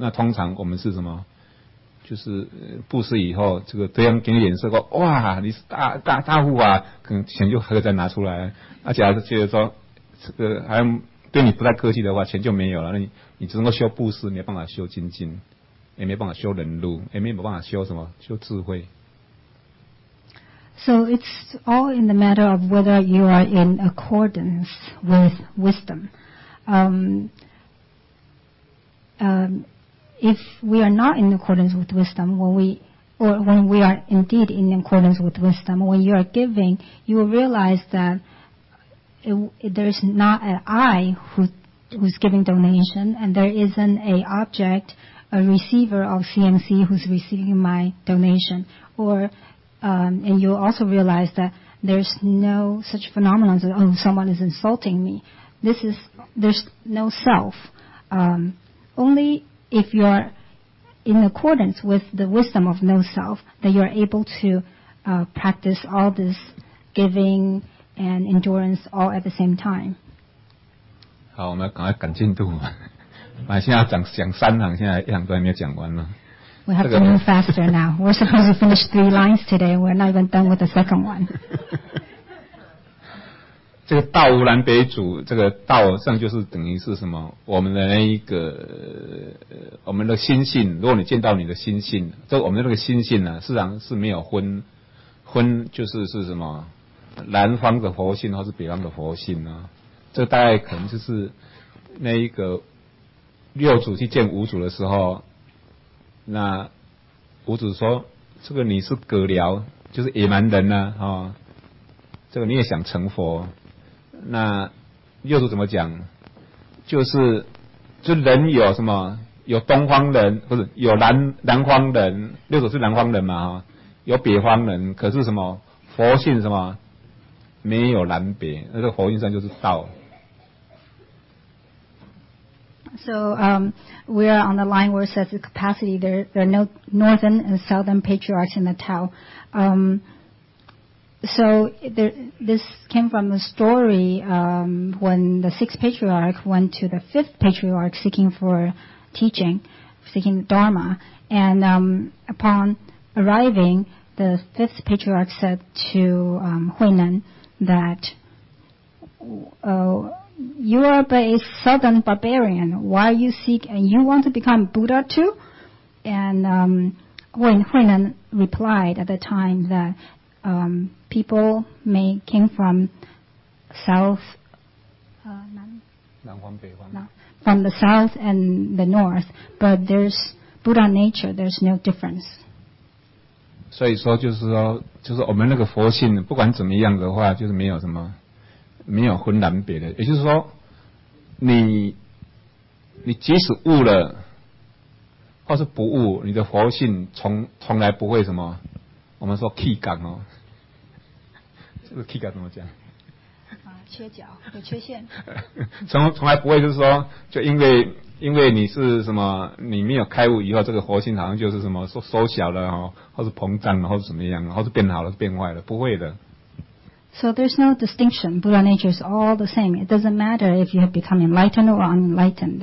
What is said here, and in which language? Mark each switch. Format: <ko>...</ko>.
<zh>那通常我们是什么？就是布施以后，这个对方给你脸色说，哇，你是大户啊，可能钱就还会再拿出来。那假如觉得说这个还对你不太客气的话，钱就没有了。那你只能够修布施，没办法修精进。也没办法修人路，也没办法修什么，修智慧。</zh> <en>So it's all in the matter of whether you are in accordance with wisdom. If we are not in accordance with wisdom, when we are indeed in accordance with wisdom, when you are giving, you will realize that there is not an I who's giving donation, and there isn't an object. A receiver of CMC who's receiving my donation, and you also realize that there's no such phenomenon as oh someone is insulting me. There's no self. Only if you're in accordance with the wisdom of no self that you're able to practice all this giving and endurance all at the same time.</en> <zh>好，我们赶快赶进度。现在讲三行，现在一行都还没有讲完呢。</zh> <en>We have to move faster now. We're supposed to finish three lines today. We're not even done with the second one.</en> <zh>这个道无南北主，这个道上就是等于是什么？我们的那一个，我们的心性。如果你见到你的心性，就我们的那个心性呢，实际上是没有分，就是什么南方的佛性或是北方的佛性呢？这大概可能就是那一个。六祖去见五祖的时候，那五祖说：“这个你是葛僚，就是野蛮人啊，哈、哦，这个你也想成佛？” 那六祖怎么讲？就人有什么？有东方人，不是有南方人？六祖是南方人嘛，哈、哦，有北方人。可是什么佛性什么没有南北？那个佛性上就是道。</zh> <en>So we are on the line where it says the capacity. There are no northern and southern patriarchs in the Tao. So this came from a story when the sixth patriarch went to the fifth patriarch seeking for teaching, seeking Dharma. And upon arriving, the fifth patriarch said to Huinen that, You are but a southern barbarian. Why you seek and you want to become Buddha too? And Huinen replied at the time that people came from south, from the south and the north, but there's Buddha nature. There's no difference.</en> <zh>所以说就是我们那个佛性不管怎么样的话，就是没有什么。没有分南北的，也就是说你即使悟了或是不悟，你的佛性从来不会什么，我们说气感哦，这个气感怎么讲啊？缺角，有缺陷。从来不会，就是说就因为你是什么，你没有开悟以后，这个佛性好像就是什么缩小了、哦、或是膨胀了或是怎么样，或是变好了变坏了，不会的。</zh> <en>So there's no distinction. Buddha nature is all the same. It doesn't matter if you have become enlightened or unenlightened.</en>